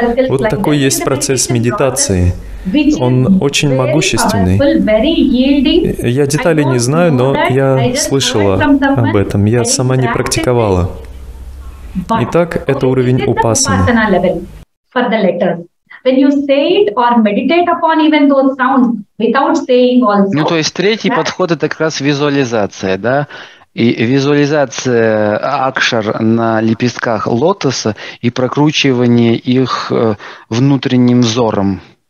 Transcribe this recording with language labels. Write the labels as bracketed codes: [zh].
[ru] Вот такой есть процесс медитации. Он очень могущественный. Я деталей не знаю, но я слышала об этом. Я сама не практиковала. Итак, это уровень упасаны. [en] When you say it or meditate upon even those sounds without saying also. [ru] Ну, то есть третий подход это как раз визуализация, да? И визуализация акшар на лепестках лотоса и прокручивание их внутренним взором.